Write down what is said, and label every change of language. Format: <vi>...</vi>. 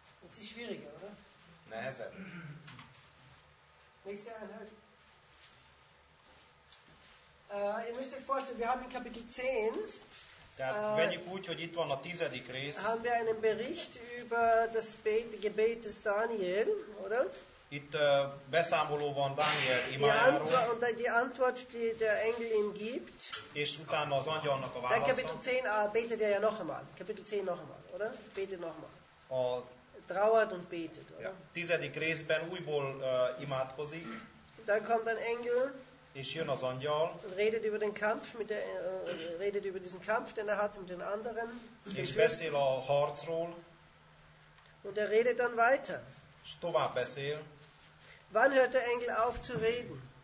<hu>Ez is</hu> <de>schwieriger, oder?</de> <hu>Nehezebb.</hu> <de>Nächste Einheit. Ihr müsst euch vorstellen, wir haben in Kapitel 10.</de> <hu>Tehát vegyük úgy, hogy itt van a 10. rész.</hu> <de>Haben wir einen Bericht über das Gebet des Daniel, oder?</de> <hu>Itt beszámoló van Daniel imájáról.</hu> <de>Ja, die Antwort, die der Engel ihm gibt.</de> <hu>És utána az angyalnak a válasza.</hu> <de>De Kapitel 10 betet er ja noch einmal. Kapitel 10 noch einmal, oder? Betet noch einmal. A trauert und betet, oder? Ja.</de> <hu>10. részben újból imádkozik.</hu> <de>Dann kommt ein Engel.</de> <hu>És jön az angyal.</hu> <de>Redet über den Kampf mit der redet über diesen Kampf, den er hatte mit den anderen.</de> <hu>És beszél a harcról.</hu> <de>Und er redet dann weiter.</de> <hu>S tovább beszél.</hu> <de>Wann hört der Engel auf zu reden?</de>